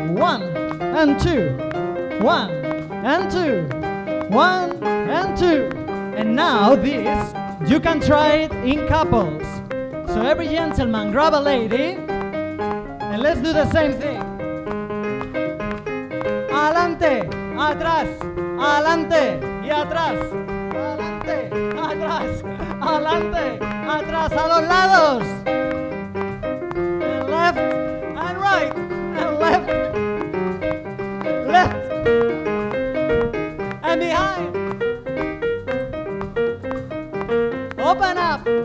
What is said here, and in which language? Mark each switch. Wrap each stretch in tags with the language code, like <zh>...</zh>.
<en>One and two. One and two. One and two. And now this, you can try it in couples. So every gentleman, grab a lady, and let's do the same thing.</en> <es>Adelante, atrás, adelante y atrás. Adelante, atrás, adelante, atrás, a los lados.</es> <en>And left and right, and left, left, and behind. Open up.</en>